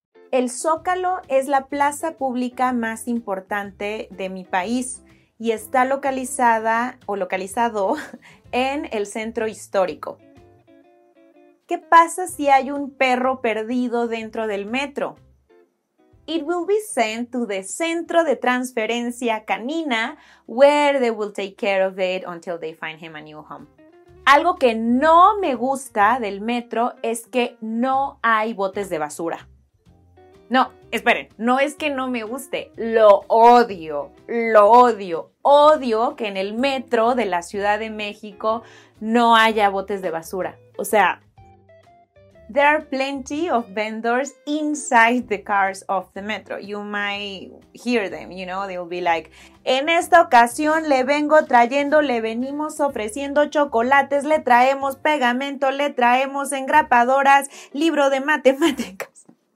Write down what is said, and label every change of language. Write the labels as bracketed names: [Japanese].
[Spanish] El Zócalo es la plaza pública más importante de mi país y está localizada o localizado en el centro histórico. ¿Qué pasa si hay un perro perdido dentro del metro? [English] It will be sent to the Centro de Transferencia Canina, where they will take care of it until they find him a new home. [Spanish] Algo que no me gusta del metro es que no hay botes de basura. No, esperen, no es que no me guste, lo odio. Odio que en el metro de la Ciudad de México no haya botes de basura. O sea, [English] there are plenty of vendors inside the cars of the metro. You might hear them, you know, they'll be like, [Spanish] en esta ocasión le vengo trayendo, le venimos ofreciendo chocolates, le traemos pegamento, le traemos engrapadoras, libro de matemáticas.